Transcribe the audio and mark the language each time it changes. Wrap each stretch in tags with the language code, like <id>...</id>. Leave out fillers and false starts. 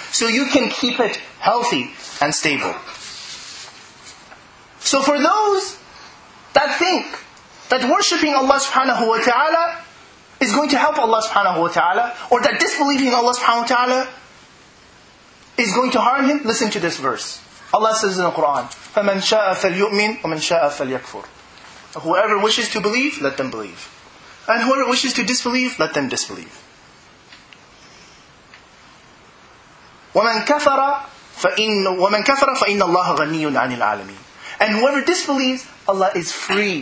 <en>So you can keep it healthy and stable. So for those that think that worshipping Allah subhanahu wa ta'ala is going to help Allah subhanahu wa ta'ala, or that disbelieving Allah subhanahu wa ta'ala is going to harm him, listen to this verse. Allah says in the Quran,</en> <ar>فَمَنْ شَاءَ فَلْيُؤْمِنْ وَمَنْ شَاءَ فَلْيَكْفُرْ.</ar> <en>Whoever wishes to believe, let them believe. And whoever wishes to disbelieve, let them disbelieve.</en> <ar>وَمَنْ كَفَرَ فَإِنَّ اللَّهَ غَنِيٌّ عَنِ الْعَالَمِينَ.</ar> <en>And whoever disbelieves, Allah is free.</en>